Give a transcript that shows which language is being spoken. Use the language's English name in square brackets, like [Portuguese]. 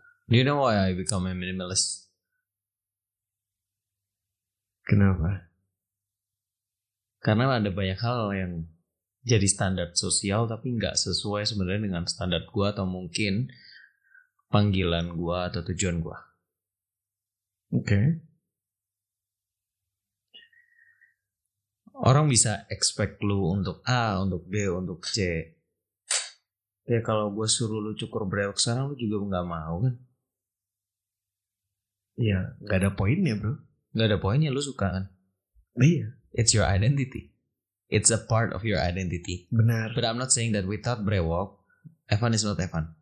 [English] Do you know why I become a minimalist? [Indonesian] Kenapa? Karena ada banyak hal yang jadi standar sosial tapi gak sesuai sebenarnya dengan standar gue atau mungkin panggilan gue atau tujuan gue. Oke. Orang bisa expect lu untuk A, untuk B, untuk C. Ya kalau gue suruh lu cukur brewok sana, lu juga gak mau kan? Iya, gak ada poinnya bro. Gak ada poinnya, lu suka kan? Iya. [English] It's your identity. It's a part of your identity. [Indonesian] Benar. [English] But I'm not saying that without brewok, Evan is not Evan.